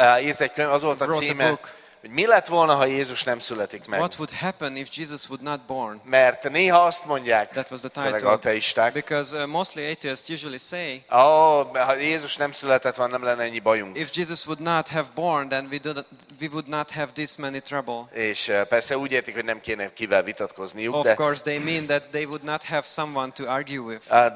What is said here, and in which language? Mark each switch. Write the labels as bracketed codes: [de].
[hu] Írt egy könyv, az volt a címe, hogy mi lett volna, ha Jézus nem születik meg. [en] What would happen if Jesus would not born? [hu] Mert néha azt mondják, [en] that was the title, [hu] főleg ateisták. [en] Because mostly atheists usually say, [hu] ha Jézus nem született volna, nem lenne ennyi bajunk. [en] If Jesus would not have born, then we would not have this many trouble. [hu] És persze úgy értik, hogy nem kéne kivel vitatkozniuk. [en] Of course they mean that they would not have someone to argue with.